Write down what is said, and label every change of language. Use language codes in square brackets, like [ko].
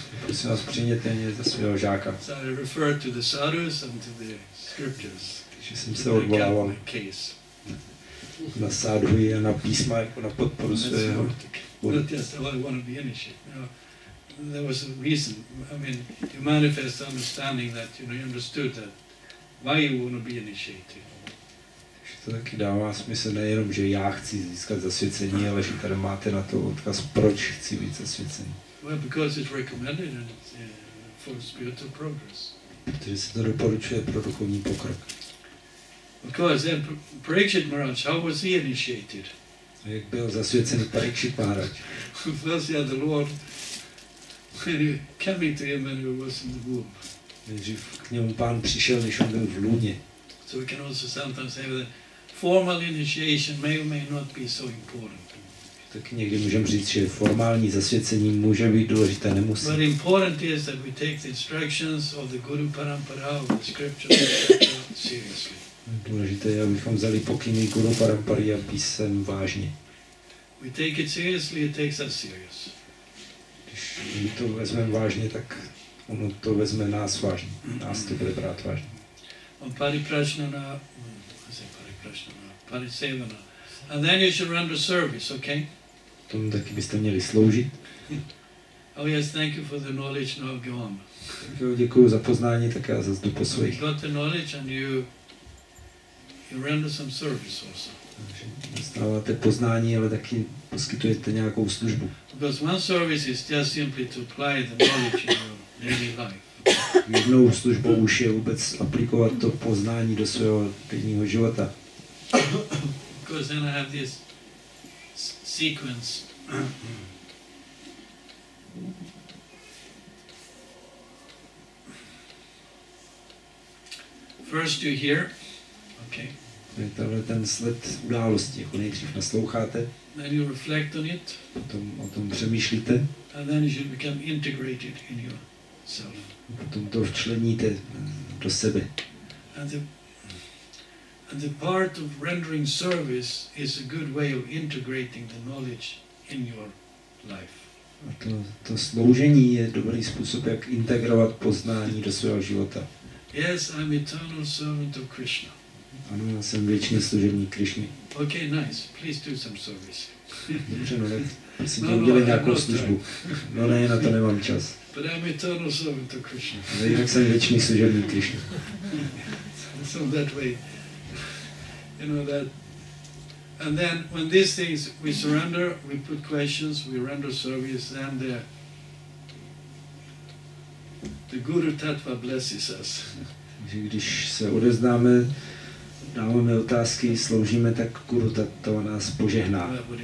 [cs] Prosím vás, přijměte mě za svého žáka. [en] So I referred to the sadhus and to the scriptures. [cs] Takže jsem se odvolával na sadhu a na písma jako na podporu svého. [en] Not just how I want to be initiated. You know, there was a reason. I mean, you manifest understanding that, you know, you understood that why you want to be initiated. [cs] To taky dává smysl nejenom, že já chci získat zasvěcení, ale že tady máte na to odkaz, proč chci být zasvěcený. [en] Well, because it's recommended and it's for spiritual progress. [cs] Protože se to doporučuje pro duchovní pokrok. [en] Because Parikshit Maharaj, how was he initiated? [cs] Jak byl zasvěcený Parikshit Maharaj? [en] First he had the Lord when he came to him when he was in the womb. [cs] Nejdřív k němu pán přišel, když on byl v lůně. [en] So we can also sometimes say that formal initiation may or may not be so important. [cs] Tak někdy můžeme říct, že formální zasvěcení může být důležité, nemusí. [en] But important is that we take the instructions of the Guru Parampara, of the scriptures, seriously. [cs] Důležité je, abychom vzali pokyny Guru Parampary a písem vážně. [en] We take it seriously, it takes us serious. [cs] Když my to vezmeme vážně, tak ono to vezme nás vážně. Nás to bude brát vážně. [en] On Pariprasnana, I say Pariprasnana, Parisevana. And then you should render service, okay? [cs] Tomu taky byste měli sloužit. [en] Oh yes, thank you for the knowledge now, go on. [cs] Děkuju za poznání, tak já zase jdu po svých. [en] You got the knowledge and you render some service also. [cs] Dostáváte poznání, ale taky poskytujete nějakou službu. [en] Because one service is just simply to apply the knowledge in your daily life. [cs] Jednou službou už je vůbec aplikovat to poznání do svého denního života. [en] Because then I have this sequence. First you hear, okay. [cs] Tohle ten sled události, jako nejdřív nasloucháte. [en] Then you reflect on it. [cs] Potom o tom přemýšlíte. [en] And then you become integrated in yourself. [cs] Potom to včleníte do sebe. [en] And the part of rendering service is a good way of integrating the knowledge in your life. [cs] A to sloužení je dobrý způsob, jak integrovat poznání do svého života. [en] Yes, I'm eternal servant of Krishna. [cs] Ano, já jsem věčný služebník Krišny. [en] Okay, nice. Please do some service. [cs] Dobře, no, prosím, no, udělej nějakou službu. No ne, na to nemám čas. [en] But I'm eternal servant of Krishna. [cs] Ale jinak jsem věčný služebník Krišny. [en] So that way, you know that. And then when these things, we surrender, we put questions, we render service, then the Guru Tattva blesses us. [cs] Takže když se odeznáme, dáváme otázky, sloužíme, tak Guru Tattva nás požehná.